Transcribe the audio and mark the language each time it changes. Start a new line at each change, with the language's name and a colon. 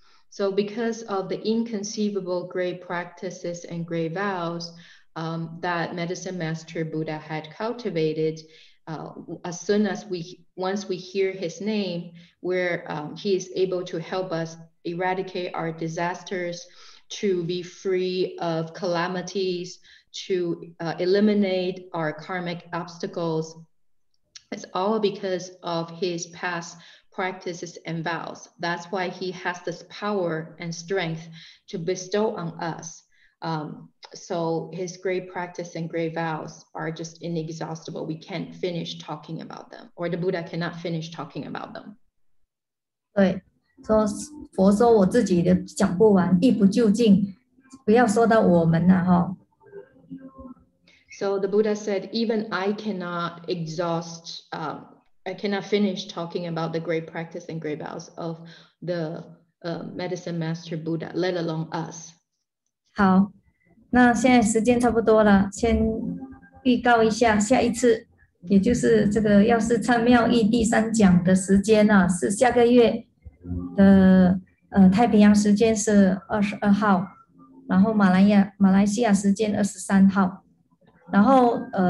English: So because of the inconceivable great practices and great vows that Medicine Master Buddha had cultivated, as soon as once we hear his name, where he is able to help us eradicate our disasters, to be free of calamities, to eliminate our karmic obstacles, it's all because of his past practices and vows. That's why he has this power and strength to bestow on us. So his great practice and great vows are just inexhaustible. We can't finish talking about them, or the Buddha cannot finish talking about them.
Chinese: 对, 说, 佛说我自己的讲不完, 亦不究竟, 不要说到我们啊, 哦。
English: So the Buddha said, even I cannot exhaust, I cannot finish talking about the great practice and great vows of the Medicine Master Buddha, let alone us.
Chinese: 好，那现在时间差不多了，先预告一下下一次，也就是这个药师忏妙义第三讲的时间呢、啊，是下个月的太平洋时间是22号，然后马来西亚时间23号，然后